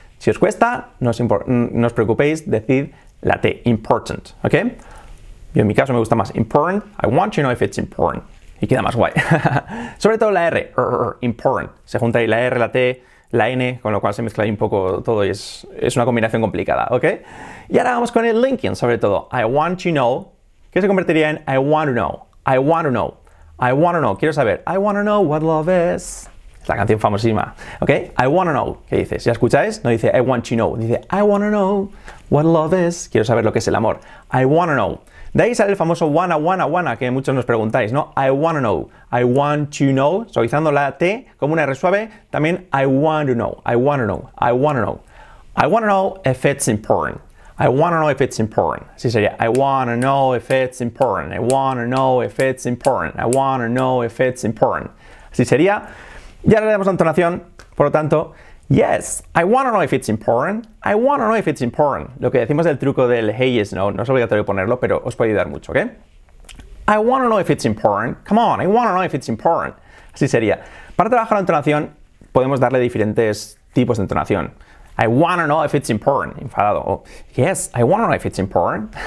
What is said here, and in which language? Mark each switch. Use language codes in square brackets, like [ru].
[es] Si os cuesta, no os preocupéis, decid la T, important, ¿ok? Yo en mi caso me gusta más important, [en] I want to know if it's important. [es] Y queda más guay. Sobre todo la R, important. Se junta ahí la R, la T, la N, con lo cual se mezcla ahí un poco todo y es una combinación complicada, ¿ok? Y ahora vamos con el linking, sobre todo. [en] I want to know, [es] que se convertiría en [en] I want to know, I want to know, I want to know, [es] quiero saber, [en] I want to know what love is. [es] La canción famosísima, [en] ¿ok? I want to know, [es] ¿qué dices? Si la escucháis, no dice [en] I want to know, dice I want to know what love is. [es] Quiero saber lo que es el amor. [en] I want to know. [es] De ahí sale el famoso wanna, que muchos nos preguntáis, ¿no? [en] I want to know, I want to know, [es] suavizando la T como una R suave, también [en] I want to know, I want to know, I want to know. I want to know if it's important. I want to know if it's important. [es] Así sería, [en] I want to know if it's important. I want to know if it's important. I want to know if it's important. [es] Así sería. Ya le damos la entonación, por lo tanto, [en] yes, I want to know if it's important, I want to know if it's important. [es] Lo que decimos del truco del hey, yes, no, no es obligatorio ponerlo, pero os puede ayudar mucho, ¿ok? [en] I want to know if it's important, come on, I want to know if it's important. [es] Así sería. Para trabajar la entonación, podemos darle diferentes tipos de entonación. [en] I want to know if it's important, [es] enfadado. [en] O, yes, I want to know if it's important.